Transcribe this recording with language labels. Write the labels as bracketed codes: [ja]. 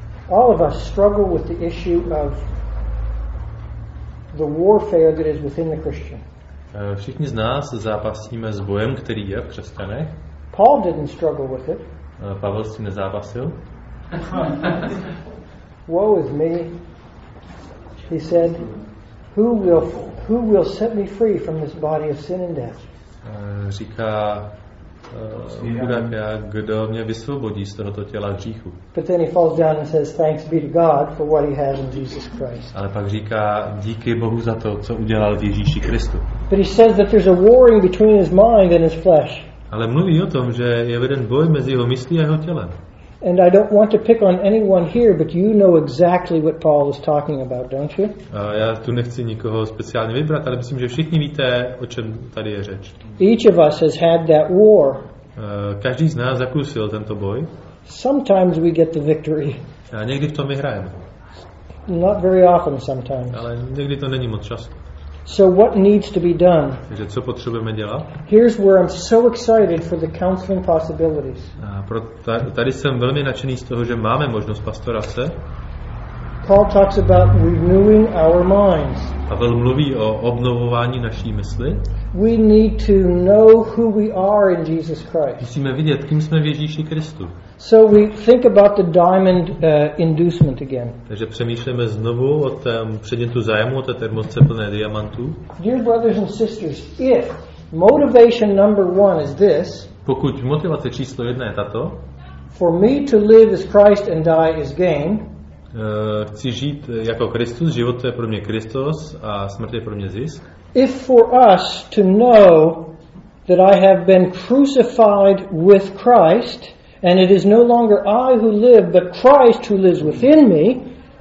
[en] All of us struggle with the issue of the warfare that is within the Christian. [cs] Všichni z nás zápasíme s bojem, který je v křesťanech. [en] Paul didn't struggle with it. [cs] Pavel s tím nezápasil. [en] Woe is me, he said, who will set me free from this body of sin and death? [cs] Říká Budapia, kdo mě vysvobodí z tohoto těla hříchu. [en] But then he falls down and says, thanks be to God for what he has in Jesus Christ. [cs] Ale pak říká, díky Bohu za to, co udělal v Ježíši Kristu. [en] But he says that there's a warring between his mind and his flesh. [cs] Ale mluví o tom, že je veden boj mezi jeho myslí a jeho tělem. [en] And I don't want to pick on anyone here, but you know exactly what Paul is talking about, don't you? [cs] Já tu nechci nikoho speciálně vybrat, ale myslím, že všichni víte, o čem tady je řeč. [en] Each of us has had that war. [cs] Každý z nás zakusil tento boj. [en] Sometimes we get the victory. [cs] A někdy v tom vyhrajeme. [en] Not very often sometimes. [cs] Ale někdy to není moc často. [en] So what needs to be done? [cs] Takže co potřebujeme dělat? [en] Here's where I'm so excited for the counseling possibilities. [cs] Tady jsem velmi nadšený z toho, že máme možnost pastorace. [en] Paul talks about renewing our minds. [cs] Pavel mluví o obnovování naší mysli. [en] We need to know who we are in Jesus Christ. [cs] Musíme vidět, kým jsme v Ježíši Kristu. [en] So we think about the diamond inducement again. [cs] Takže přemýšlíme znovu o tom předmětu zájmu, o té termosce plné diamantů. [en] Dear brothers and sisters, if motivation number one is this, [cs] pokud motivace číslo jedna je tato, [en] for me to live as Christ and die is gain, [cs] chci žít jako Kristus, život je pro mě Kristus a smrt je pro mě zisk. [en] If for us to know that I have been crucified with Christ and it is no longer I who live but Christ who lives within me.